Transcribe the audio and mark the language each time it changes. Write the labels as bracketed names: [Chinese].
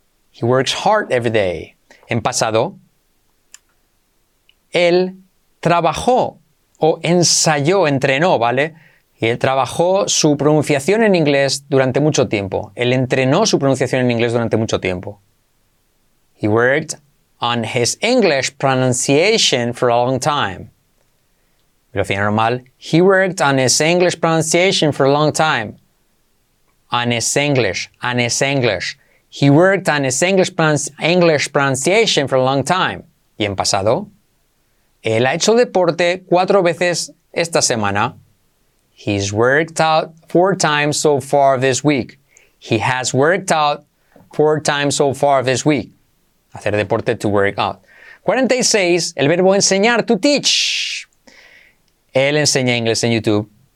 [English] He works hard every day. [Spanish] En pasado, él trabajó o ensayó, entrenó, ¿vale? Y él trabajó su pronunciación en inglés durante mucho tiempo. Él entrenó su pronunciación en inglés durante mucho tiempo. [English] He worked on his English pronunciation for a long time. [Spanish] Velocidad normal. [English] He worked on his English pronunciation for a long time. On his English. He worked on his English pronunciation for a long time. [Spanish] Y en pasado, él ha hecho deporte 4 veces esta semana. [English] He's worked out 4 times so far this week. He has worked out 4 times so far this week. [Spanish] Hacer deporte, to work out. 46, el verbo enseñar, to teach. Él enseña inglés en YouTube.